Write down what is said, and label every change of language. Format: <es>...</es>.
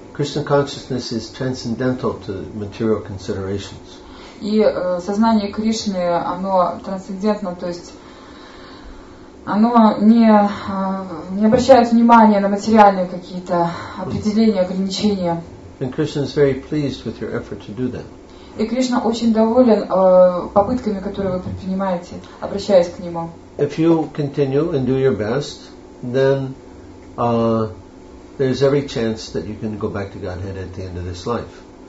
<en>Krishna consciousness is transcendental to material considerations.</en> <ru>И сознание Кришны, оно трансцендентно, то есть оно не обращает внимания на материальные какие-то определения, ограничения.</ru> <en>And Krishna is very pleased with your effort to do that.</en> <ru>И Кришна очень доволен попытками, которые вы предпринимаете, обращаясь к нему.</ru> <en>If you continue and do your best, then there's every chance that you can go back to Godhead at the end of this life.</en>